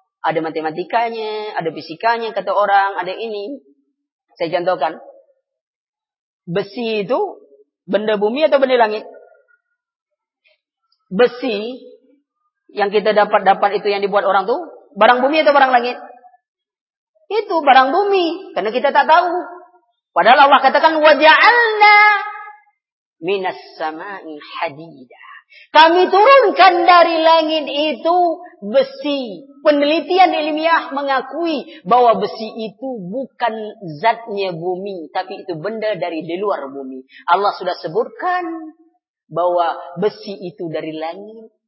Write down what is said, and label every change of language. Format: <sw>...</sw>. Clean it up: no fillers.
<id>Ada matematikanya, ada fisikanya, kata orang, ada ini. Saya contohkan. Besi itu benda bumi atau benda langit? Besi yang kita dapat itu yang dibuat orang itu, barang bumi atau barang langit? Itu barang bumi, karena kita tak tahu. Padahal Allah katakan,</id> <ar>وَجَعَلْنَا مِنَ السَّمَاءِ حَدِيدًا.</ar> <id>Kami turunkan dari langit itu besi. Penelitian ilmiah mengakui bahwa besi itu bukan zatnya bumi, tapi itu benda dari di luar bumi. Allah sudah sebutkan bahwa besi itu dari langit.</id>